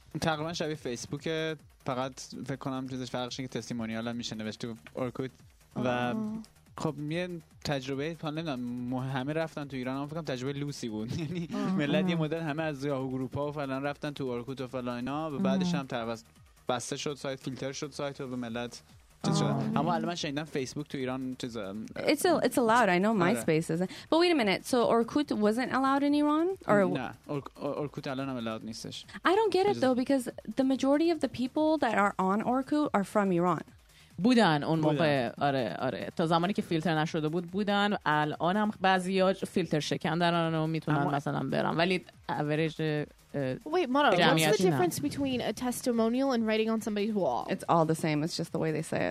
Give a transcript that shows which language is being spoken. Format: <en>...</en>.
<fa>تقریبا شبیه فیسبوک فقط فکر کنم چیزش فرقش اینه که تستیمونیال هم میشه نوشته اورکوت و خب یه تجربه پان نمیدونم همه رفتن تو ایران هم فکرم تجربه لوسی بود یعنی ملت یه مدت همه از یاهو گروپ ها و فلان رفتن تو اورکوت و فلان اینا و بعدش هم تروست بسته شد سایت فیلتر شد سایت و به ملت اما الان شنیدم فیسبوک تو ایران چیز</fa> <en>It's allowed I know MySpace isn't but wait a minute so Orkut wasn't allowed in Iran</en> <fa>or نه Orkut الان هم allowed نیستش</fa> <en>I don't get it though because the majority of the people that are on Orkut are from Iran</en> <fa>بودن اون موقع آره تا زمانی که فیلتر نشده بود بودن الان هم بعضی ها فیلتر شکن دارن و میتونن مثلا برن ولی</fa> <en>average Wait, Mara, what's the difference between a testimonial and writing on somebody's wall? It's all the same. It's just the way they say it.</en>